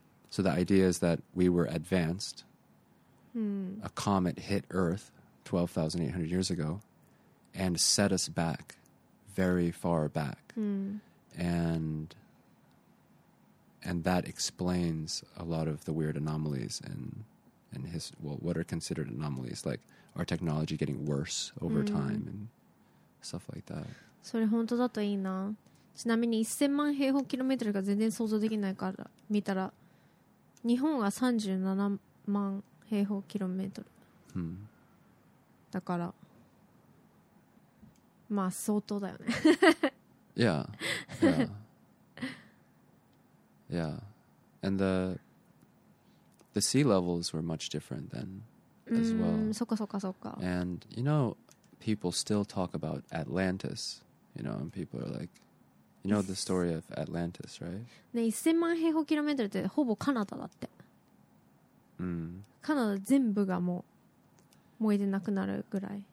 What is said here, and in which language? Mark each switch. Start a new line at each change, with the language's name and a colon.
English: So the idea is that we were advanced. A comet hit Earth 12,800 years ago and set us back very far back. And that explains a lot of the weird anomalies in his, well, what are considered anomalies, like our technology getting worse over time and stuff like that.
Japanese: それ本当だといいな。ちなみに1000万平方キロメートルが全然想像できないから見たら、日本は37万平方キロメートル。だから、まあ相当だよね。
English: Yeah. Yeah. And the sea levels were much different then as well.
Japanese: そかそかそか。
English: And you know, people still talk about Atlantis, you know, and people are like, you know the story of Atlantis, right?
Japanese: ね、1000万平方キロメートルってほぼカナダだって。カナダ全部がもう燃えてなくなるぐらい。